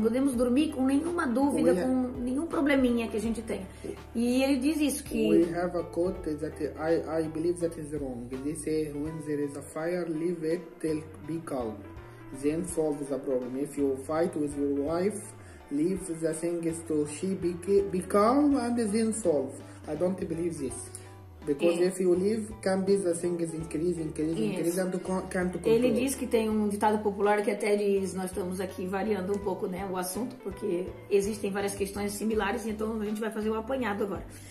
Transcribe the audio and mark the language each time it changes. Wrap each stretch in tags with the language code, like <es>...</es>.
<pt>Não podemos dormir com nenhuma dúvida, com nenhum probleminha que a gente tem. E ele diz isso que.</pt> <en>We have a quote that I believe that is wrong. They say when there is a fire, leave it till be calm, then solve the problem. If you fight with your wife, leave the thing to she be calm and then solve. I don't believe this. Because if you leave, can be the things increase, and can't control.</en> <pt>Ele diz que tem um ditado popular que até diz, nós estamos aqui variando um pouco, né, o assunto, porque existem várias questões similares, então a gente vai fazer um apanhado agora.</pt>